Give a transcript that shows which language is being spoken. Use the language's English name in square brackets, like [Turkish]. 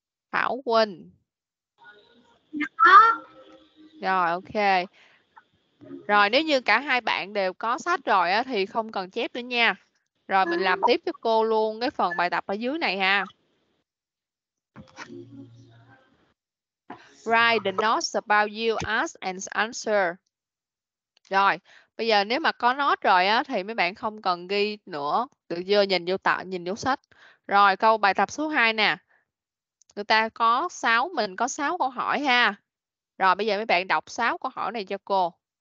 [Vietnamese] Thảo Quỳnh. Rồi, ok. Rồi, nếu như cả hai bạn đều có sách rồi á, thì không cần chép nữa nha. Rồi, mình làm tiếp cho cô luôn cái phần bài tập ở dưới này ha. [English] Write the notes about you, ask and answer. [Vietnamese] Rồi, bây giờ nếu mà có note rồi á thì mấy bạn không cần ghi nữa, được chưa? Nhìn vô tạo, nhìn vô sách. Rồi, câu bài tập số 2 nè. Người ta có 6, mình có 6 câu hỏi ha. Rồi, bây giờ mấy bạn đọc 6 câu hỏi này cho cô.